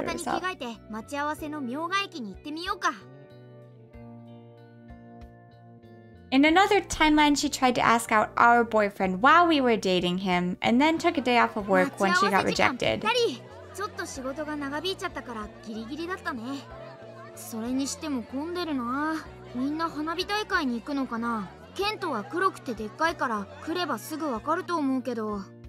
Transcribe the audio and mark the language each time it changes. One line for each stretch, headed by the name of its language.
Japanese: 浴衣に着替えて待ち合わせの明賀駅に行ってみようか。
English: In another timeline, she tried to ask out our boyfriend while we were dating him, and then took a day off of work when she got rejected.
Japanese: ちょっと仕事が長引いちゃったからギリギリだったね。それにしても混んでるな。みんな花火大会に行くのかな。ケントは黒くてでっかいから来ればすぐわかると思うけど。